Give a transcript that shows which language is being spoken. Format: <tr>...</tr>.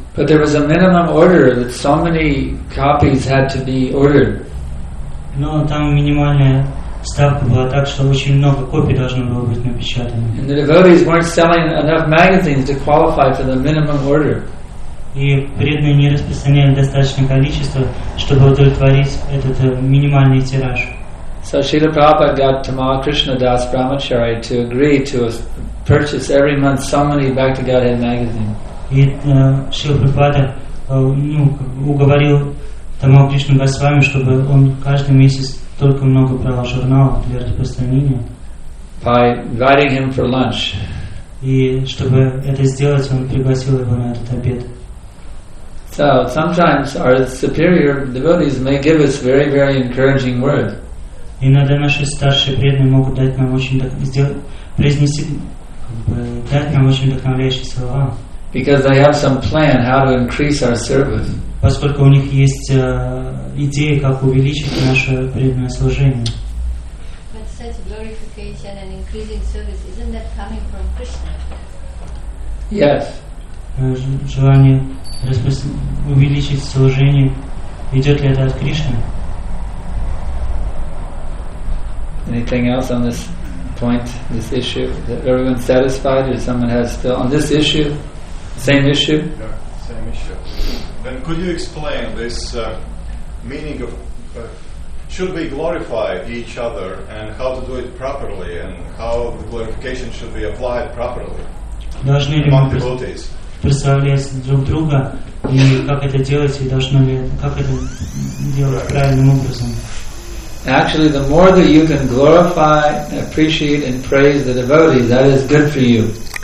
<en>But there was a minimum order that so many copies had to be ordered.</en> <ru>Но там минимальная ставка была так, что очень много копий должно было быть напечатано.</ru> <en>And the devotees weren't selling enough magazines to qualify for the minimum order.</en> <ru>И преданные не распространяли достаточное количество, чтобы удовлетворить этот минимальный тираж.</ru> <en>So Srila Prabhupada got Tamal Krishna Das Brahmacharya to agree to purchase every month so many Bhakti Godhead magazines.</en> <ru>Srila Prabhupada уговорил Tamal Krishna Das с вами, чтобы он каждый месяц только много брал журналов для распространения.</ru> <en>By inviting him for lunch.</en> <ru>И чтобы это сделать, он пригласил его на этот обед.</ru> <en>So sometimes our superior devotees may give us very, very encouraging words.</en> <ru>Иногда наши старшие преданные могут дать нам очень вдохновляющие слова.</ru> <en>Because they have some plan how to increase our service.</en> <ru>Поскольку у них есть идея, как увеличить наше преданное служение.</ru> <en>But such glorification and increasing service, isn't that coming from Krishna? Yes.</en> <ru>Желание увеличить служение, идет ли это от Кришны?</ru> <en>Anything else on this point, this issue? Is everyone satisfied, or someone has still on this issue? Same issue? Yeah, same issue. Then could you explain this meaning of should we glorify each other and how to do it properly and how the glorification should be applied properly among devotees?</en> <ru>Представлять друг друга и как это делать и должно ли как это делать правильным образом?</ru> <en>Actually, the more that you can glorify, appreciate, and praise the devotees, that is good for you.</en>